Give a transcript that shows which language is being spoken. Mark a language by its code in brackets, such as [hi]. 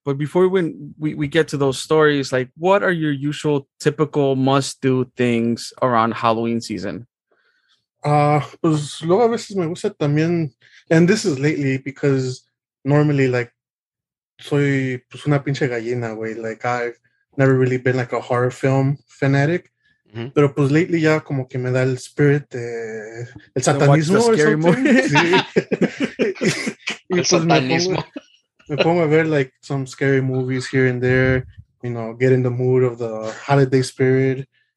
[en] But before we get to those stories, like, what are your usual typical must-do things around Halloween season? [es] Pues luego a veces me gusta también, [en] and this is lately because normally like [es] soy pues una pinche gallina, güey. [en] Like I've never really been like a horror film fanatic, mm-hmm. [es] pero pues lately ya como que me da el spirit de el satanismo [en] or scary something. Movie. [es] Y el pues satanismo. [en] Me pongo a ver like some scary movies here and there. You know, get in the mood of the holiday spirit.